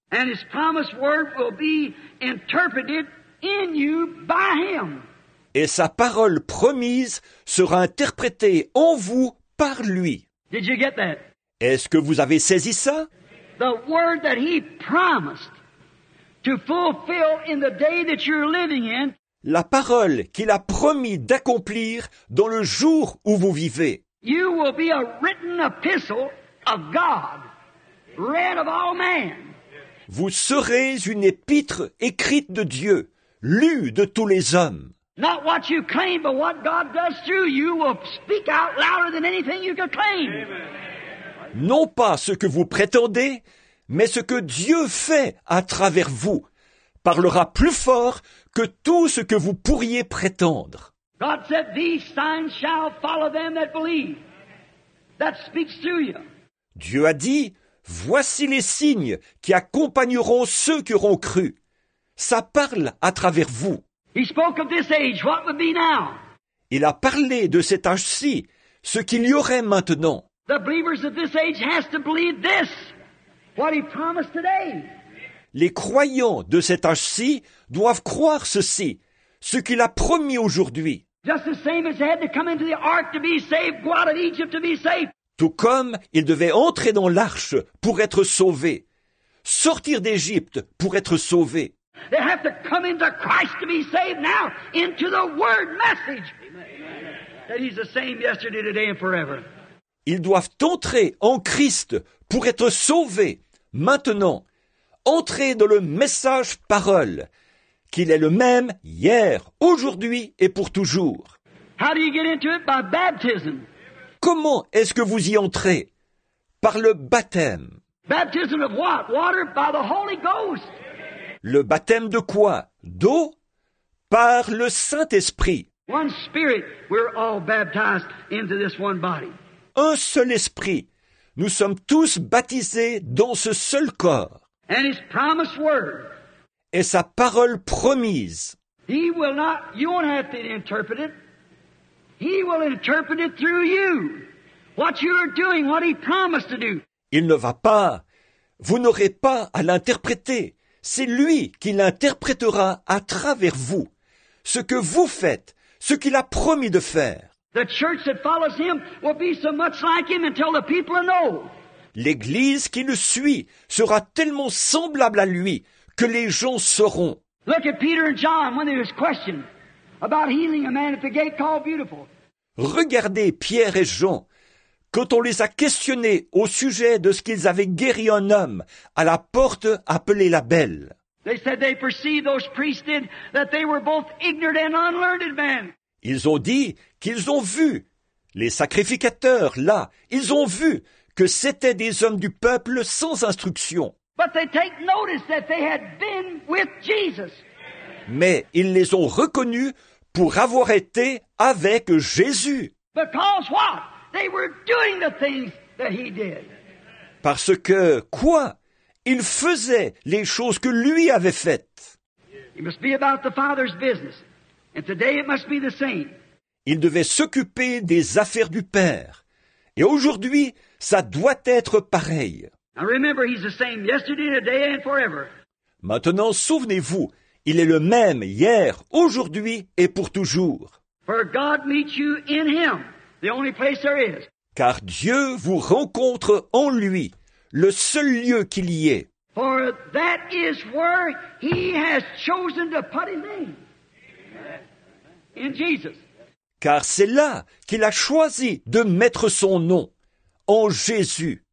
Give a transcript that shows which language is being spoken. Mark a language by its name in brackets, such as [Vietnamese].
[English] And his promised word will be interpreted in you by him. [French] Et sa parole promise sera interprétée en vous par lui. [English] Did you get that? [French] Est-ce que vous avez saisi ça? [English] The word that he promised to fulfill in the day that you're living in. [French] La parole qu'il a promis d'accomplir dans le jour où vous vivez. [English] You will be a written epistle of God, read of all men. [French] Vous serez une épître écrite de Dieu, lue de tous les hommes. [English] Not what you claim, but what God does through you will speak out louder than anything you can claim. Amen. [French] Non pas ce que vous prétendez, mais ce que Dieu fait à travers vous parlera plus fort que tout ce que vous pourriez prétendre. [English] God said, "These signs shall follow them that believe." That speaks to you. [French] Dieu a dit, voici les signes qui accompagneront ceux qui auront cru. Ça parle à travers vous. [English] He spoke of this age, what would be now? [French] Il a parlé de cet âge-ci, ce qu'il y aurait maintenant. [English] The believers of this age has to believe this, what he promised today. [French] Les croyants de cet âge-ci doivent croire ceci, ce qu'il a promis aujourd'hui. [English] Just the same as they had to come into the ark to be saved, go out of Egypt to be saved. [French] Tout comme ils devaient entrer dans l'arche pour être sauvés, sortir d'Égypte pour être sauvés. [English] They have to come into Christ to be saved now, into the word message. That he's the same yesterday, today and forever. [French] Ils doivent entrer en Christ pour être sauvés, maintenant. Entrer dans le message parole, qu'il est le même hier, aujourd'hui et pour toujours. [English] How do you get into it? By baptism. [French] Comment est-ce que vous y entrez? Par le baptême. [English] Baptism of what? Water by the Holy Ghost. [French] Le baptême de quoi? D'eau? Par le Saint-Esprit. [English] One spirit, we're all baptized into this one body. [French] Un seul esprit. Nous sommes tous baptisés dans ce seul corps. And his promised word. Et sa parole promise. [English] He will not, you won't have to interpret it. He will interpret it through you. What you are doing, what he promised to do. [French] Il ne va pas. Vous n'aurez pas à l'interpréter. C'est lui qui l'interprétera à travers vous, ce que vous faites, ce qu'il a promis de faire. [English] The church that follows him will be so much like him until the people know. [French] L'église qui le suit sera tellement semblable à lui que les gens sauront. [English] Look at Peter and John when they were questioned about healing a man at the gate called Beautiful. [French] Regardez Pierre et Jean quand on les a questionnés au sujet de ce qu'ils avaient guéri un homme à la porte appelée la Belle. [English] They said they perceived those priests did that they were both ignorant and unlearned men. [French] Ils ont dit qu'ils ont vu les sacrificateurs là, ils ont vu que c'était des hommes du peuple sans instruction. [English] But they take notice that they had been with Jesus. [French] Mais ils les ont reconnus pour avoir été avec Jésus. [English] Because what? They were doing the things that he did. [French] Parce que quoi? Ils faisaient les choses que lui avait faites. [English] It must be about the Father's business. And today it must be the same. [French] Il devait s'occuper des affaires du Père. Et aujourd'hui, ça doit être pareil. [English] Now remember, he's the same yesterday, today, and forever. [French] Maintenant, souvenez-vous, il est le même hier, aujourd'hui et pour toujours. [English] For God meets you in him, the only place there is. [French] Car Dieu vous rencontre en lui, le seul lieu qu'il y ait. [English] For that is where he has chosen to put his name. In Jesus. [French] Car c'est là qu'il a choisi de mettre son nom, en Jésus.